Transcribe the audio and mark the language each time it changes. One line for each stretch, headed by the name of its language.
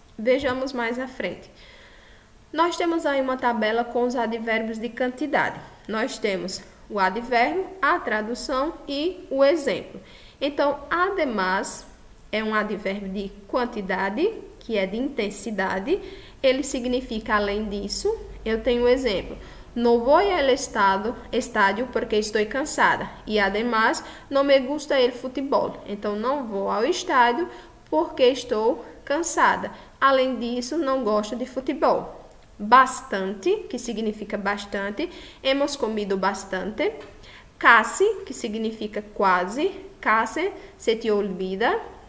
Portuguese: Vejamos mais à frente. Nós temos aí uma tabela com os advérbios de quantidade. Nós temos o advérbio, a tradução e o exemplo. Então, ademais é um advérbio de quantidade, que é de intensidade. Ele significa, além disso, eu tenho o um exemplo.
Spanish: No voy al estadio porque estoy cansada. E, ademais, no me gusta el futebol.
Portuguese: Então, não vou ao estádio porque estou cansada. Além disso, não gosto de futebol. Bastante, que significa bastante.
Spanish: Hemos comido bastante.
Portuguese: Casi, que significa quase.
Spanish: Casi se te olvida.